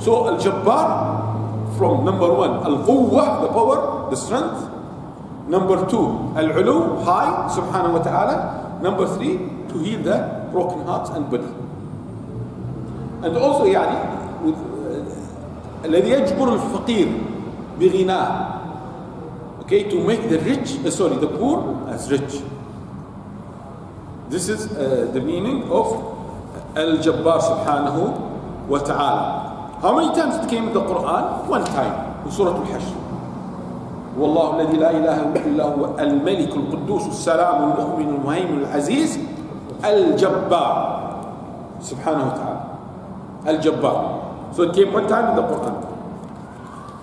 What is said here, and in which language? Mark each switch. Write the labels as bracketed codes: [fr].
[en] So الجبار from number one القوة the power the strength number two العلو high [ar] سبحانه وتعالى [en] number three to heal the broken heart and body and also [ar] يعني الذي يجبر الفقير بغناء [en] okay to make the rich sorry the poor as rich this is the meaning of الجبار سبحانه وتعالى. How many times it came in the Quran? One time. In Surah Al-Hashr. [ar] والله الذي لا إله إلا هو الملك القدوس السلام المؤمن المهيمن العزيز الجبار سبحانه وتعالى. الجبار. [en] So it came one time in the Quran.